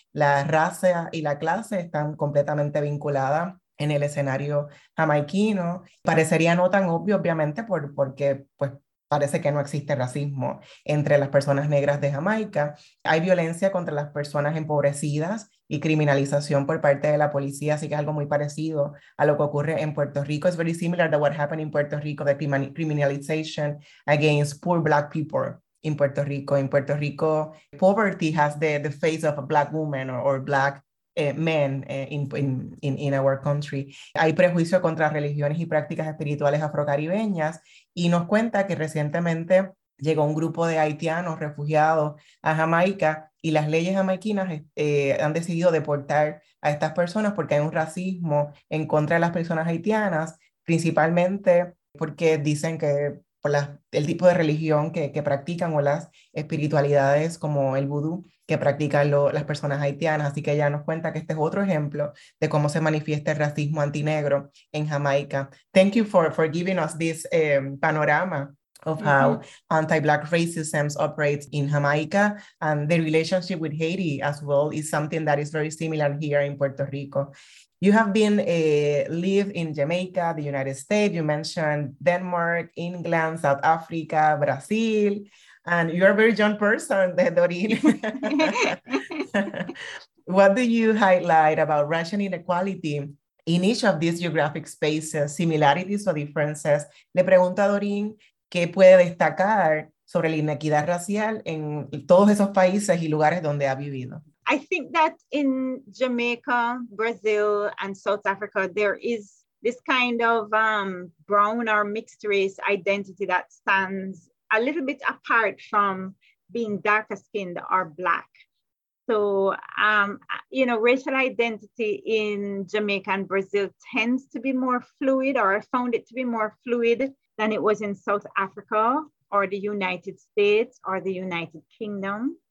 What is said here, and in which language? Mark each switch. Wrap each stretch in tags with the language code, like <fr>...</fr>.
<es>La raza y la clase están completamente vinculadas en el escenario jamaiquino. Parecería no tan obvio, obviamente, porque pues parece que no existe racismo entre las personas negras de Jamaica. Hay violencia contra las personas empobrecidas y criminalización por parte de la policía, así que es algo muy parecido a lo que ocurre en Puerto Rico.</es> <en>It's very similar to what happened in Puerto Rico, the criminalization against poor Black people in Puerto Rico. In Puerto Rico, poverty has the face of a Black woman or Black men in our country.</en> <es>Hay prejuicio contra religiones y prácticas espirituales afrocaribeñas, y nos cuenta que recientemente llegó un grupo de haitianos refugiados a Jamaica y las leyes jamaiquinas han decidido deportar a estas personas porque hay un racismo en contra de las personas haitianas, principalmente porque dicen que por el tipo de religión que practican o las espiritualidades como el vudú que practican las personas haitianas. Así que ella nos cuenta que este es otro ejemplo de cómo se manifiesta el racismo antinegro en Jamaica.</es> <en>Thank you for giving us this panorama of how mm-hmm. anti-Black racism operates in Jamaica, and the relationship with Haiti as well is something that is very similar here in Puerto Rico. You have been lived in Jamaica, the United States, you mentioned Denmark, England, South Africa, Brazil, and you're a very young person, Dorin. What do you highlight about racial inequality in each of these geographic spaces, similarities or differences?</en> <es>Le pregunto a Dorin, ¿qué puede destacar sobre la inequidad racial en todos esos países y lugares donde ha vivido?</es> <en>I think that in Jamaica, Brazil, and South Africa, there is this kind of brown or mixed race identity that stands a little bit apart from being darker skinned or black. So, you know, racial identity in Jamaica and Brazil tends to be more fluid, or I found it to be more fluid than it was in South Africa or the United States or the United Kingdom.</en>